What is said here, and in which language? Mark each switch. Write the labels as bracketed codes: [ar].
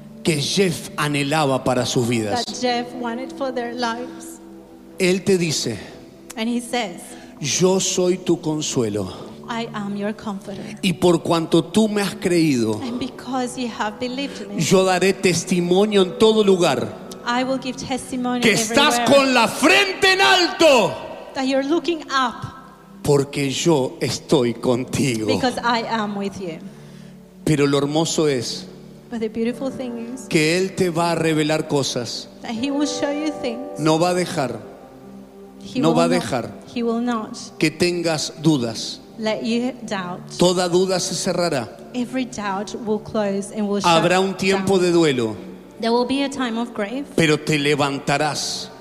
[es] Que Jeff anhelaba para sus vidas. [en] That Jeff wanted for their lives. [es] Él te dice. [en] And he says. [es] Yo soy tu consuelo. [en] I am your comforter. [es] Y por cuanto tú me has creído, [en] and because you have believed me, [es] yo daré testimonio en todo lugar. [en] I will give testimony [es] que estás [en] everywhere. [es] Con la frente en alto. [en] That you're looking up. [es] Porque yo estoy contigo. [en] Because I am with you. [es] Pero lo hermoso es. [en] But the beautiful thing is. [es] Que Él te va a revelar cosas. [en] That He will show you things. [es] No va a dejar. [en] He [es] no va a dejar [en] he will not [es] que tengas dudas. [en] Let you doubt. [es] Toda duda se cerrará. [en] Every doubt will close and will [es] habrá un tiempo [en] down [es] de duelo. [en] There will be a time of grave, [es] pero te levantarás